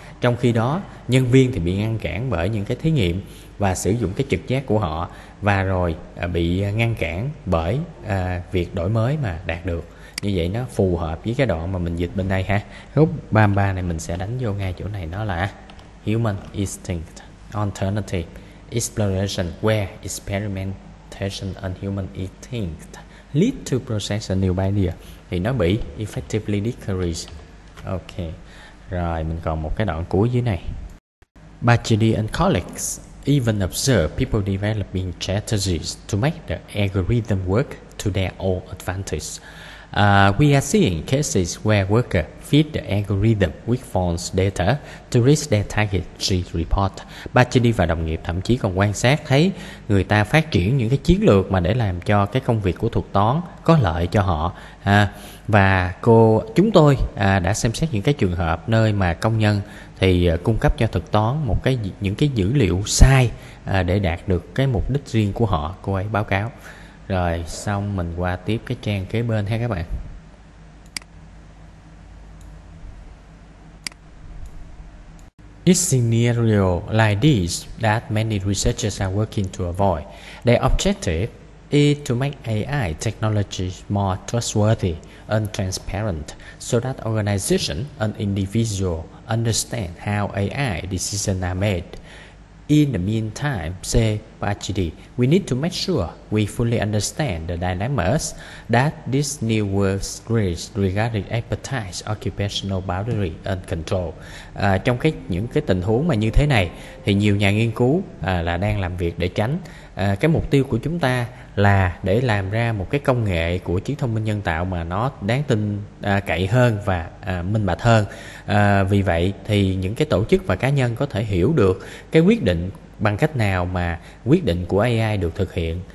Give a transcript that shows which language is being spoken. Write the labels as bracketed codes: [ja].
[vi] Trong khi đó, nhân viên thì bị ngăn cản bởi những cái thí nghiệm và sử dụng cái trực giác của họ và rồi bị ngăn cản bởi việc đổi mới mà đạt được. Như vậy nó phù hợp với cái đoạn mà mình dịch bên đây ha. Khúc 33 này mình sẽ đánh vô ngay chỗ này, nó là [en] human instinct, alternative, exploration where experimentation and human instinct lead to process a new idea. [vi] Thì nó bị [en] effectively decrease. [vi] Ok. Rồi mình còn một cái đoạn cuối dưới này. [en] Bacchini and colleagues even observe people developing strategies to make the algorithm work to their own advantage. We are seeing cases where workers feed the algorithm with false data to reach their target, she report. [vi] Bacchini và đồng nghiệp thậm chí còn quan sát thấy người ta phát triển những cái chiến lược mà để làm cho cái công việc của thuật toán có lợi cho họ. Và cô chúng tôi đã xem xét những cái trường hợp nơi mà công nhân thì cung cấp cho thuật toán một cái những cái dữ liệu sai để đạt được cái mục đích riêng của họ, cô ấy báo cáo. Rồi xong mình qua tiếp cái trang kế bên ha các bạn. [en] This scenario like this that many researchers are working to avoid. Their objective is to make AI technology more trustworthy and transparent so that organizations and individuals understand how AI decisions are made. In the meantime, say Bacchini, we need to make sure we fully understand the dynamics that this new world creates regarding expertise, occupational boundary and control. [vi] Trong cái những cái tình huống mà như thế này, thì nhiều nhà nghiên cứu là đang làm việc để tránh. Cái mục tiêu của chúng ta là để làm ra một cái công nghệ của trí thông minh nhân tạo mà nó đáng tin cậy hơn và minh bạch hơn. Vì vậy thì những cái tổ chức và cá nhân có thể hiểu được cái quyết định bằng cách nào mà quyết định của AI được thực hiện.